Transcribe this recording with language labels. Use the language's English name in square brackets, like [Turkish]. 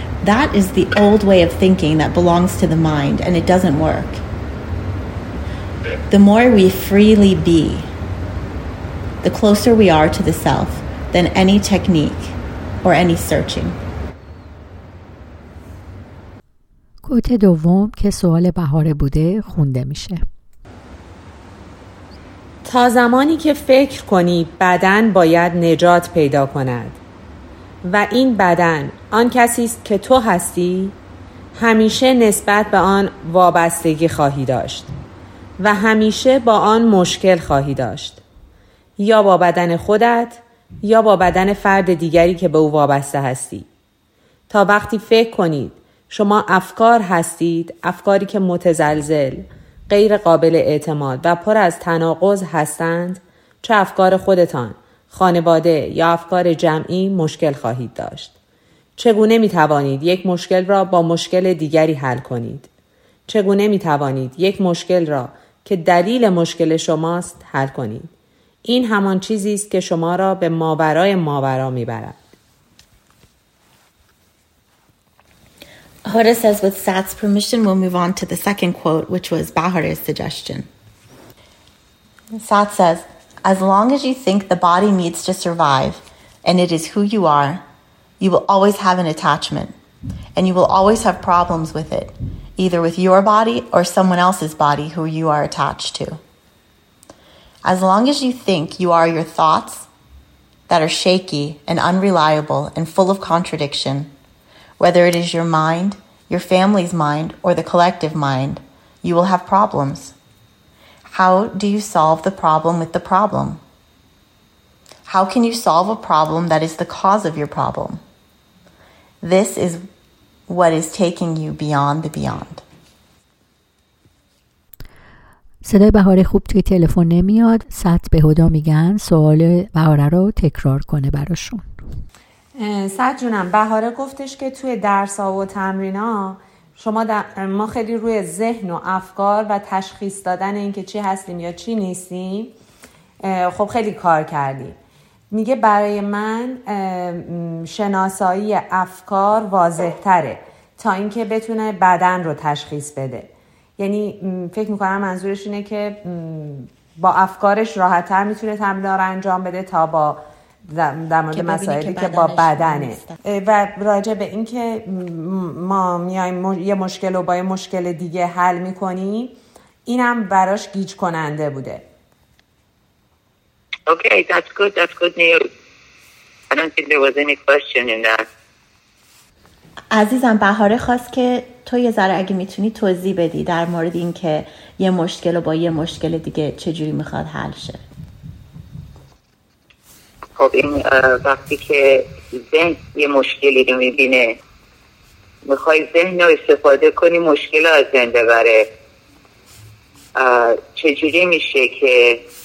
[English] That is the old way of thinking that belongs to the mind, and it doesn't work. The more we freely be, the closer we are to the self than any technique or any searching. [Persian] کوت دوم که سوال بهاره بوده خونده میشه. تا زمانی که فکر کنی بدن باید نجات پیدا کند و این بدن آن کسی است که تو هستی، همیشه نسبت به آن وابستگی خواهی داشت و همیشه با آن مشکل خواهی داشت، یا با بدن خودت یا با بدن فرد دیگری که به او وابسته هستی. تا وقتی فکر کنید شما افکار هستید، افکاری که متزلزل، غیر قابل اعتماد و پر از تناقض هستند، چه افکار خودتان، خانواده یا افکار جمعی مشکل خواهید داشت. چگونه می توانید یک مشکل را با مشکل دیگری حل کنید؟ چگونه می توانید یک مشکل را که دلیل مشکل شماست حل کنید؟ این همان چیزی است که شما را به ماورای ماورا می برد. [English] Hoda says, with Sat's permission, we'll move on to the second quote, which was Bahare's suggestion. Sat says, as long as you think the body needs to survive and it is who you are, you will always have an attachment and you will always have problems with it, either with your body or someone else's body who you are attached to. As long as you think you are your thoughts that are shaky and unreliable and full of contradiction, whether it is your mind, your family's mind, or the collective mind, you will have problems. How do you solve the problem with the problem? How can you solve a problem that is the cause of your problem? This is what is taking you beyond the beyond. [Persian] صدای بهاره خوب توی تلفن نمیاد. سات به هدا میگن سوال بهاره رو تکرار کنه براشون. سعد جونم، بهاره گفتش که توی درس ها و تمرین ها شما ما خیلی روی ذهن و افکار و تشخیص دادن این که چی هستیم یا چی نیستیم خب خیلی کار کردیم، میگه برای من شناسایی افکار واضح تره تا اینکه بتونه بدن رو تشخیص بده. یعنی فکر میکنم منظورش اینه که با افکارش راحت تر میتونه تمرین رو انجام بده تا با در مورد مسائلی که با بدنه. و راجع به این که ما میاییم یه مشکل رو با یه مشکل دیگه حل میکنیم، اینم براش گیج کننده بوده. [English] Okay, that's good news. I don't think there was any question in that. [Persian] عزیزم بهاره خواست که تو یه ذره اگه میتونی توضیح بدی در مورد این که یه مشکل رو با یه مشکل دیگه چجوری میخواد حل شه. خب این وقتی که ذهن یه مشکلی رو میبینه، میخوای ذهن رو استفاده کنی مشکل رو از ذهن ببره، چجوری میشه که